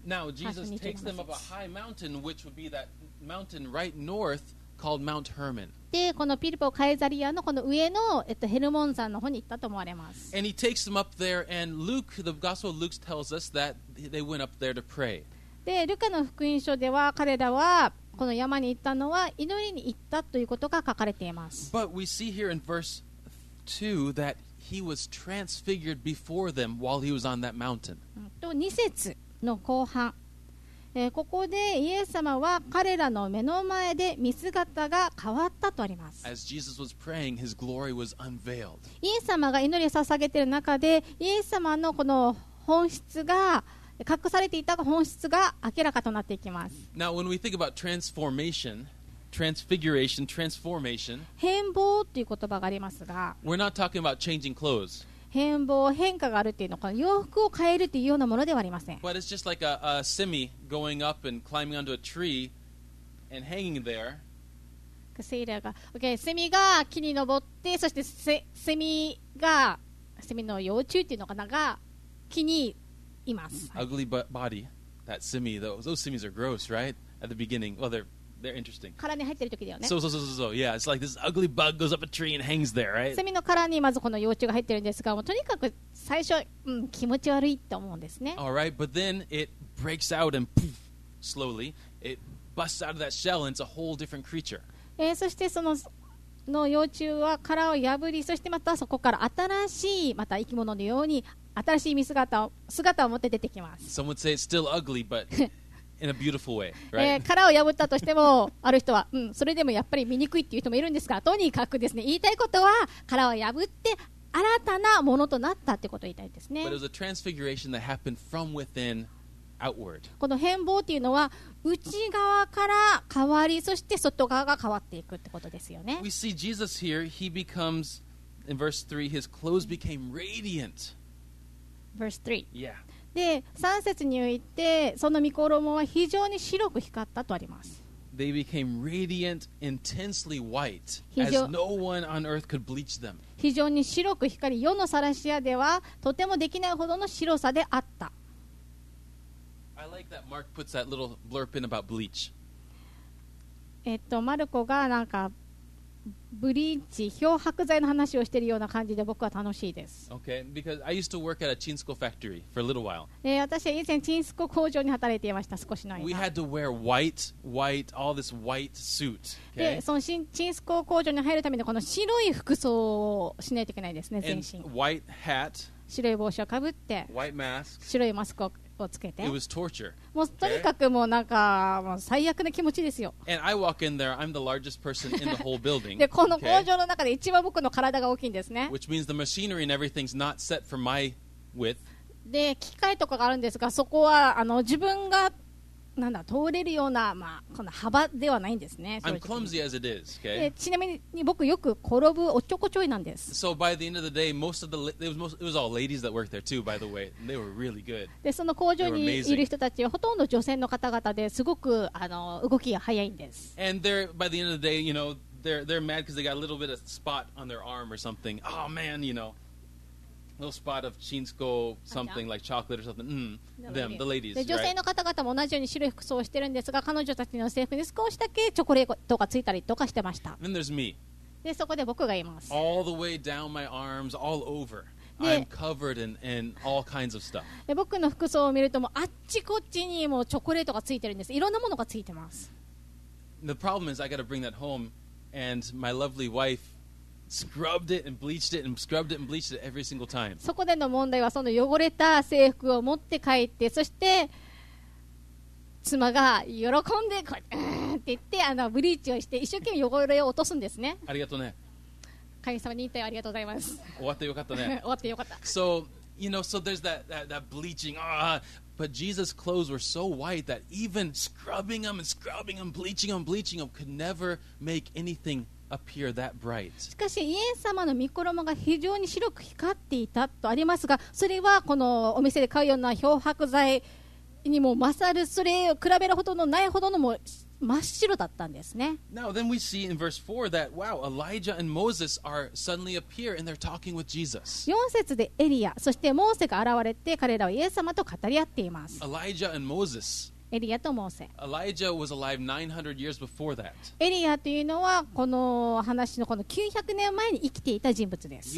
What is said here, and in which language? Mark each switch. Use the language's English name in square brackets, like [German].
[English] Now Jesus takes them up a high mountain, which would be that mountain right north called Mount Hermon. [Japanese] でこのピリポカエザリアのこの上の、ヘルモン山の方に行ったと思われます。 [English] And he takes them up there, and Luke, the Gospel of Luke tells us that they went up there to pray. [Japanese] で、ルカの福音書では彼らはこの山に行ったのは祈りに行ったということが書かれています。 [English] But we see here in verse 2 that he was transfigured before them while he was on that mountain. [Japanese] 2節の後半。ここでイエス様は彼らの目の前で見姿が変わったとあります。 [English] As Jesus was praying, his glory was unveiled. [Japanese] イエス様が祈りを捧げている中でイエス様のこの本質が隠されていた本質が明らかとなっていきます。 [English] Now when we think about transformation, transfiguration, transformation [Japanese] 変貌という言葉がありますが [English] We're not talking about changing clothes. [Japanese] 変貌、変化があるっていうのか、洋服を変えるっていうようなものではありません。 [English] But it's just like a semi going up and climbing onto a tree and hanging there. [Japanese] セイラーが、okay、セミが木に登って、そしてセミの幼虫っていうのかなが木にいます。 [English] Ugly body, that semi. Those semis are gross, right? At the beginning, well, they're interesting. [Japanese] 殻に入ってる時だよね。 [English] So. Yeah, it's like this ugly bug goes up a tree and hangs there, right? [Japanese] セミの殻にまずこの幼虫が入ってるんですが、もうとにかく最初、気持ち悪いと思うんですね。 [English] All right, but then it breaks out and poof, slowly, it busts out of that shell and it's a whole different creature. [Japanese] そしてその幼虫は殻を破り、そしてまたそこから新しい、また生き物のように新しい姿を持って出てきます。 [English] Some would say it's still ugly, but... In a beautiful way, right? [Japanese] 殻を破ったとしてもある人は、それでもやっぱり醜いっていう人もいるんですが、とにかくですね、言いたいことは殻を破って新たなものとなったってことを言いたいですね。 [English] But it was a transfiguration that happened from within, outward. [Japanese] この変貌っていうのは内側から変わり、そして外側が変わっていくってことですよね。 [English] We see Jesus here. He becomes, in verse 3, his clothes became radiant. Verse 3. Yeah. [Japanese] で3節においてその御衣は非常に白く光ったとあります。 [English] They became radiant, intensely white, as no one on earth could bleach them. [Japanese] 非常に白く光り、世のサラシアではとてもできないほどの白さであった。 [English] I like that Mark puts that little blurb in about bleach. [Japanese] マルコがなんかブリーチ、漂白剤の話をしているような感じで僕は楽しいです。 [English] Okay, because I used to work at a chinsko factory for a little while. [Japanese] 私は以前チンスコ工場に働いていました。少しの間。 [English] We had to wear white, white, all this white suit. Okay. [Japanese] で、そのチンスコ工場に入るためにこの白い服装をしないといけないですね、全身。 [English] And white hat. [Japanese] 白い帽子をかぶって。 [English] White mask. [Japanese] 白いマスクをつけて。 [English] It was torture. [Japanese] もうとにかくもうなんかもう最悪な気持ちですよ。 [English] And I walk in there, I'm the largest person in the whole building. [Japanese] でこの工場の中で一番僕の体が大きいんですね。 [English] Which means the machinery and everything's not set for my width. [Japanese] で機械とかがあるんですが、そこは自分がなんだ通れるようなまあこの幅ではないんですね。 [English] I'm clumsy as it is. Okay. [Japanese] ちなみに僕よく転ぶおちょこちょいなんです。 [English] So by the end of the day, most of the it was all ladies that worked there too. By the way, they were really good. [Japanese] でその工場にいる人たちはほとんど女性の方々で、すごく動きが早いんです。 [English] And they're by the end of the day, you know, they're mad because they got a little bit of spot on their arm or something. Oh man, you know. Little spot of chinsko something like chocolate or something. Them, the ladies. [Japanese] 女性の方々も同じように白い服装をしてるんですが、彼女たちの制服に少しだけチョコレートがついたりとかしてました。 [English] Then there's me. [Japanese] でそこで僕がいます。 [English] All the way down my arms, all over. I'm covered in all kinds of stuff. [Japanese] で僕の服装を見るともうあっちこっちにもチョコレートがついてるんです。いろんなものがついてます。 [English] The problem is I got to bring that home, and my lovely wife. Scrubbed it and bleached it and scrubbed it and bleached it every single time. [Japanese] そこでの問題はその汚れた制服を持って帰って、そして妻が喜んでこうって言ってブリーチをして一生懸命汚れを落とすんですね。ありがとうね。神様に言いたいありがとうございます。終わってよかったね。終わってよかった。 [English] So you know, so there's that bleaching. But Jesus' clothes were so white that even scrubbing them and scrubbing them, bleaching them, bleaching them could never make anything. Appear that bright. [Japanese] しかしイエス様の御衣が非常に白く光っていたとありますが、それはこのお店で買うような漂白剤にも勝る、それを比べるほどのないほどのも真っ白だったんですね。 [English] Now then we see in verse 4 that wow, Elijah and Moses are suddenly appear and they're talking with Jesus. [Japanese] 4節でエリア、そしてモーセが現れて彼らはイエス様と語り合っています。 [English] Elijah and Moses. [Japanese] エリアとモーセ。 [English] Elijah was alive 900 years before that. [Japanese] エリアというのはこの話のこの900年前に生きていた人物です。